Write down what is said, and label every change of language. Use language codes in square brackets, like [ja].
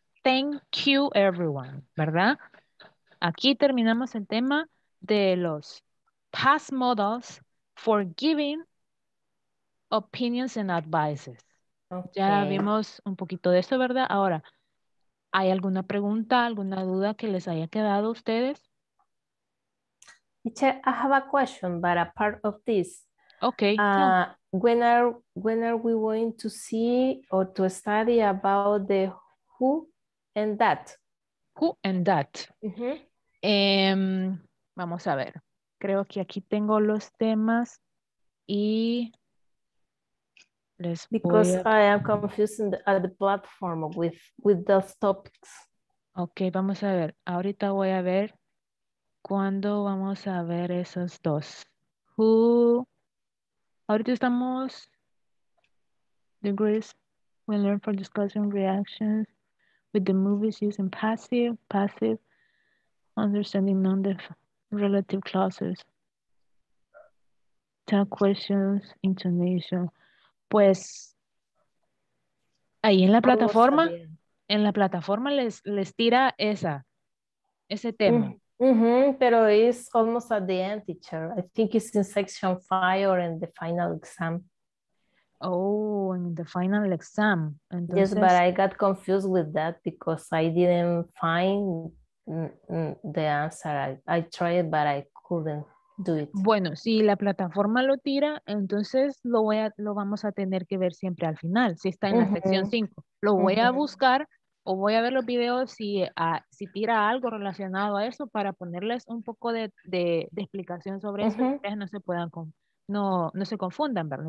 [en] Thank you, everyone, [es] ¿verdad? Aquí terminamos el tema de los [en] past models for giving opinions and advices. Okay. [es] Ya vimos un poquito de esto, ¿verdad? Ahora, ¿hay alguna pregunta, alguna duda que les haya quedado a ustedes? [en] Teacher, I have a question, but a part of this. Okay. When are we going to see or to study about the who and that? Who and that? Mm-hmm. [es] Vamos a ver. Creo que aquí tengo los temas y les [en] I am confusing the platform with those topics. [es] Okay, vamos a ver. Ahorita voy a ver cuándo vamos a ver esos dos. Who? Ahorita estamos degrees. [en] We learn from discussing reactions with the movies using passive, understanding non-relative clauses. Tell questions, intonation. [es] Pues ahí en la plataforma, les tira ese tema. [en] Mm-hmm, pero it's almost at the end, teacher. I think it's in section 5 or in the final exam. Oh, in the final exam. Entonces, yes, but I got confused with that because I didn't find the answer. I tried, but I couldn't do it. [es] Bueno, si la plataforma lo tira, entonces lo vamos a tener que ver siempre al final, si está en la sección 5. Lo voy a buscar. O voy a ver los videos si tira algo relacionado a eso para ponerles un poco de explicación sobre eso, que ustedes no se puedan no se confundan, ¿verdad?